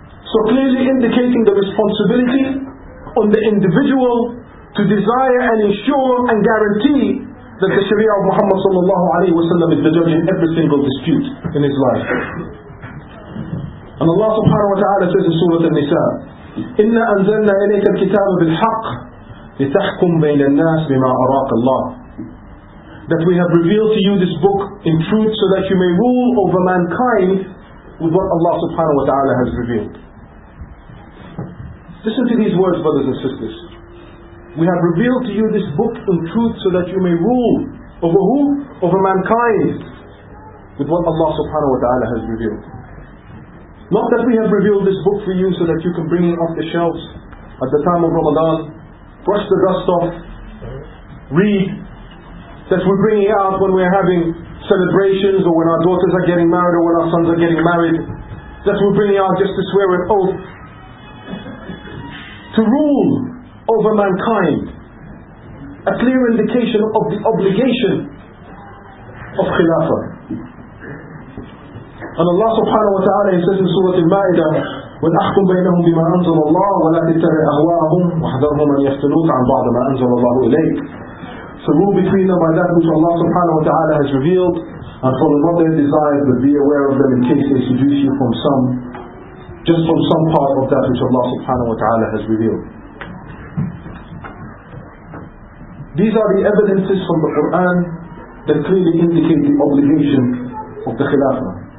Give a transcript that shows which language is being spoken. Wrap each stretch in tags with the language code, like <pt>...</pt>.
<en>So clearly indicating the responsibility on the individual to desire and ensure and guarantee that the Sharia of Muhammad sallallahu alayhi wa sallam is the judge in every single dispute in his life. And Allah subhanahu wa ta'ala says in Surah An-Nisa,</en> <ar>إِنَّا أَنزَلْنَا إِلَيْكَ الْكِتَابَ بِالْحَقِّ لِتَحْكُمْ بَيْنَ النَّاسِ بِمَا أَرَاقَ اللَّهِ.</ar> <en>That we have revealed to you this book in truth so that you may rule over mankind with what Allah subhanahu wa ta'ala has revealed. Listen to these words, brothers and sisters. We have revealed to you this book in truth so that you may rule over who? Over mankind with what Allah subhanahu wa ta'ala has revealed. Not that we have revealed this book for you so that you can bring it off the shelves at the time of Ramadan, brush the dust off, read, that we bring it out when we are having celebrations or when our daughters are getting married or when our sons are getting married, that we bring it out just to swear an oath to rule over mankind, a clear indication of the obligation of Khilafah. And Allah subhanahu wa ta'ala says in Surah Al-Ma'idah,</en> <ar>وَنَحْكُمْ بَيْنَهُمْ بِمَا أَنزَلَ اللَّهُ وَلَا تَتَّبِعْ أَهْوَاءَهُمْ وَحَذَرْهُمْ أَن يَفْتِنُوكَ عَن بَعْضِ مَا أَنزَلَ اللَّهُ إِلَيْكَ.</ar> <en>So rule between them by that which Allah subhanahu wa ta'ala has revealed, and follow not their desires, but be aware of them in case they seduce you from some, just from some part of that which Allah subhanahu wa ta'ala has revealed. These are the evidences from the Quran that clearly indicate the obligation of the Khilafah.</en>